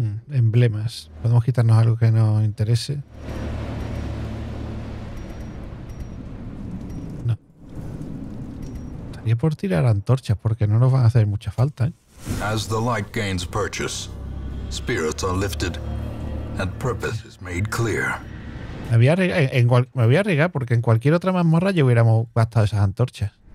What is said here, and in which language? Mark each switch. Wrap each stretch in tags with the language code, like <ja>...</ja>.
<es>Emblemas. Podemos quitarnos algo que nos interese. No. Estaría por tirar antorchas porque no nos van a hacer mucha falta, ¿eh?</es> <en>As the light gains purchase, spirits are lifted and purpose is made clear.</en> <es>Me voy a arriesgar porque en cualquier otra mazmorra ya hubiéramos gastado esas antorchas.</es>